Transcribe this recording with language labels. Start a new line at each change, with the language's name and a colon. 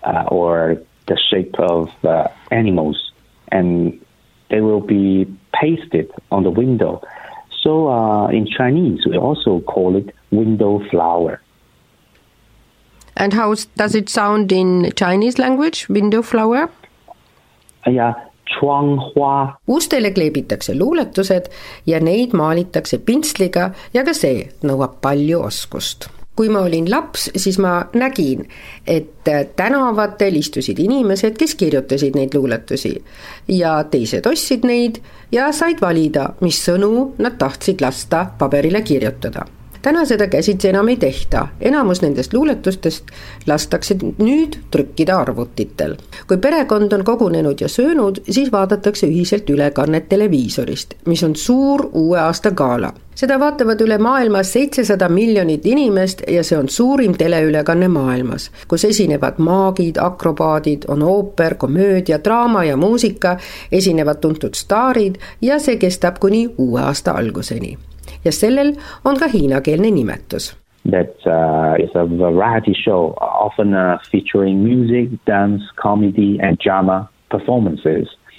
English: Or the shape of animals, and they will be pasted on the window. So in Chinese, we also call it window flower. And how does it sound in Chinese language, window flower?
Chinese: Yeah, chuang hua.
Estonian: Ustele kleebitakse luuletused ja neid maalitakse pintsliga ja ka see nõuab palju oskust. Kui ma olin laps, siis ma nägin, et tänavatel istusid inimesed, kes kirjutasid neid luuletusi ja teised ostsid neid ja said valida, mis sõnu nad tahtsid lasta paperile kirjutada. Täna seda käsitse enam ei tehta. Enamus nendest luuletustest lastakse nüüd trükkida arvutitel. Kui perekond on kogunenud ja söönud, siis vaadatakse ühiselt ülekanne televiisorist, mis on suur uue aasta gaala. Seda vaatavad üle maailma 700 miljonit inimest ja see on suurim teleülekanne maailmas, kus esinevad maagid, akrobaadid, on ooper, komöödia, draama ja muusika, esinevad tuntud staarid ja see kestab kuni uue aasta alguseni. Ja sellel on ka hiinakeelne nimetus.
English: That is a variety show, often featuring music, dance, comedy and drama performances.